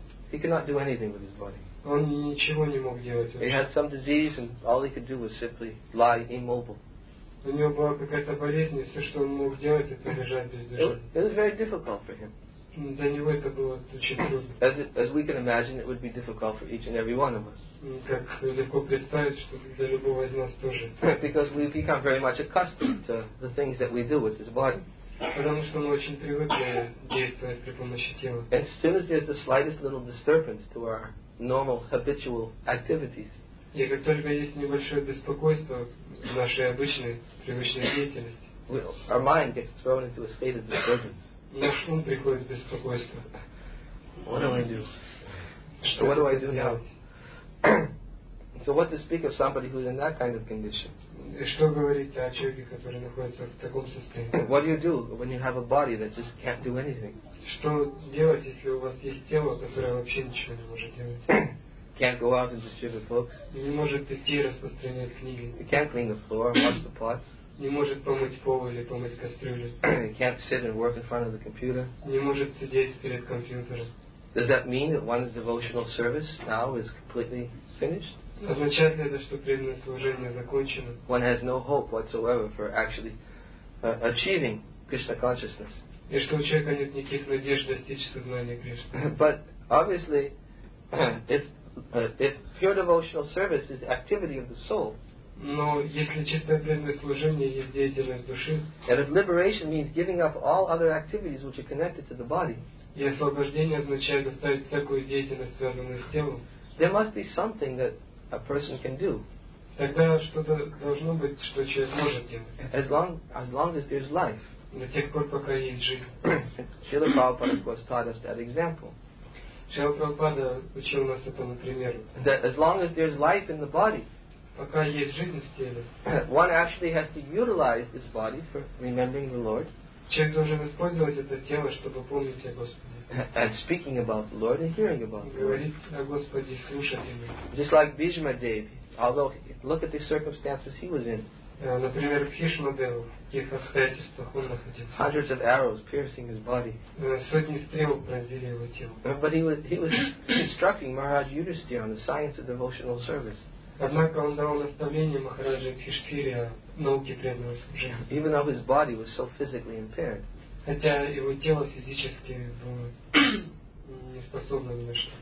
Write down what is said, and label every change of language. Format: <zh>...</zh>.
<en>He could not do anything with his body.</en> <ru>Он ничего не мог делать.</ru> <en>He had some disease and all he could do was simply lie immobile.</en> <ru>У него была какая-то болезнь, и все, что он мог делать, это лежать без движения.</ru> <en>It was very difficult for him.</en> <ru>Для него это было очень трудно.</ru> <en>As we can imagine, it would be difficult for each and every one of us.</en> <ru>Как легко представить, что для любого из нас тоже.</ru> <en>Because we become very much accustomed to the things that we do with this body.</en> <ru>Потому что мы очень привыкли действовать при помощи тела.</ru> <en>And still as there's the slightest little disturbance to our normal habitual activities.</en> <ru>И как только есть небольшое беспокойство в нашей обычной привычной деятельности.</ru> <en>Our mind gets thrown into a state of disturbance.</en> <ru>Наш ум приходит в беспокойство.</ru> <en>What do I do?</en> <ru>Что</ru> <en>what do I do now? So what to speak of somebody who's in that kind of condition?</en> <ru>Что говорить о человеке, который находится в таком состоянии?</ru> <en>What do you do when you have a body that just can't do anything?</en> <ru>Что делать, если у вас есть тело, которое вообще ничего не может делать?</ru> <en>Can't go out and distribute books.</en> <ru>Не может идти распространять книги.</ru> <en>Can't clean the floor, wash the pots.</en> <ru>Не может помыть пол или помыть кастрюлю.</ru> <en>Can't sit and work in front of the computer.</en> <ru>Не может сидеть перед компьютером.</ru> <en>Does that mean that one's devotional service now is completely finished?</en> <ru>Означает ли это, что преданное служение закончено?</ru> <en>One has no hope whatsoever for actually achieving Krishna consciousness.</en> <ru>И что у человека нет никаких надежд достичь сознания Кришны.</ru> <en>But obviously, if pure devotional service is activity of the soul,</en> <ru>но если чистое преданное служение есть деятельность души,</ru> <en>and if liberation means giving up all other activities which are connected to the body,</en> <ru>и освобождение означает оставить всякую деятельность, связанную с телом,</ru> <en>there must be something that a person can do.</en> <ru>Тогда что-то должно быть, что человек может делать.</ru> <en>As long as there's life.</en> <ru>До тех пор, пока есть жизнь.</ru> <en>Шрила Прабхупада, of course, taught us that example.</en> <ru>Шрила Прабхупада учил нас этому примеру.</ru> <en>That as long as there's life in the body,</en> <ru>пока есть жизнь в теле,</ru> <en>one actually has to utilize this body for remembering the Lord.</en> <ru>Человек должен использовать это тело, чтобы помнить о Господе.</ru> <en>And speaking about the Lord and hearing about the Lord.</en> <ru>Говорить о Господе, слушать Его.</ru> <en>Just like Bhishma Devi, although look at the circumstances he was in.</en> <ru>Например, Бхишма Деву, в каких обстоятельствах он находился.</ru> <en>Hundreds of arrows piercing his body.</en> <ru>Сотни стрел пронзили его тело.</ru> <en>But he was instructing Maharaj Yudhisthira on the science of devotional service.</en> <ru>Однако он давал наставление Махараджи Кхиштхире о науке преданного служения.</ru> <en>Even though his body was so physically impaired.</en> <ru>Хотя его тело физически было не способно ни на что.</ru>